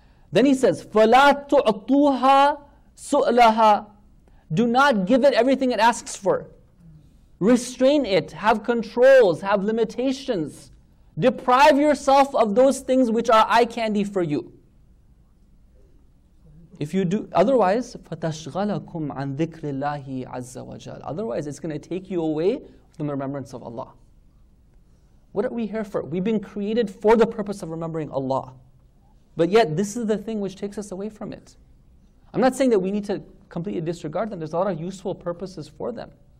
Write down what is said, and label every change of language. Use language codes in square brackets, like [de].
[en] Then he says, [ar] فَلَا تُعْطُوهَا سُؤْلَهَا. [en] Do not give it everything it asks for. Restrain it, have controls, have limitations. Deprive yourself of those things which are eye candy for you. If you do otherwise, [ar] فَتَشْغَلَكُمْ عَنْ ذِكْرِ اللَّهِ عَزَّ وَجَلَّ. [en] Otherwise, it's going to take you away from the remembrance of Allah. What are we here for? We've been created for the purpose of remembering Allah. But yet, this is the thing which takes us away from it. I'm not saying that we need to completely disregard them. There's a lot of useful purposes for them.